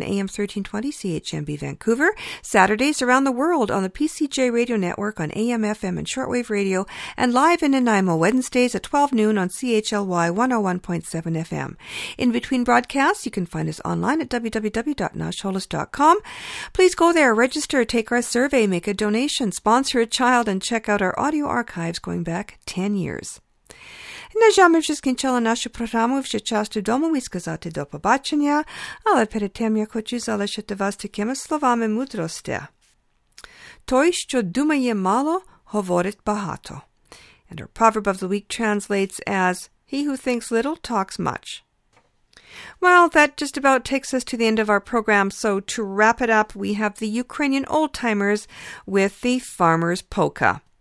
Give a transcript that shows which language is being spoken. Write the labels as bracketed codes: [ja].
[en] on AM 1320 CHMB Vancouver, Saturdays around the world on the PCJ Radio Network on AM, FM, and shortwave radio, and live in Nanaimo Wednesdays at 12 noon on CHLY 101.7 FM. In between broadcasts, you can find us online at www.nashholos.com. Please go there, register, take our survey, make a donation, sponsor a child, and check out our audio archives going back 10 years. [uk] На жаль, вже скінчила нашу програму, вже час додому і сказати до побачення, але перед тим я хочу залишити вас такими словами мудрості. Той, що думає мало, говорить багато. [en] And our proverb of the week translates as, he who thinks little talks much. Well, that just about takes us to the end of our program, so to wrap it up, we have the Ukrainian old-timers with the Farmer's Polka.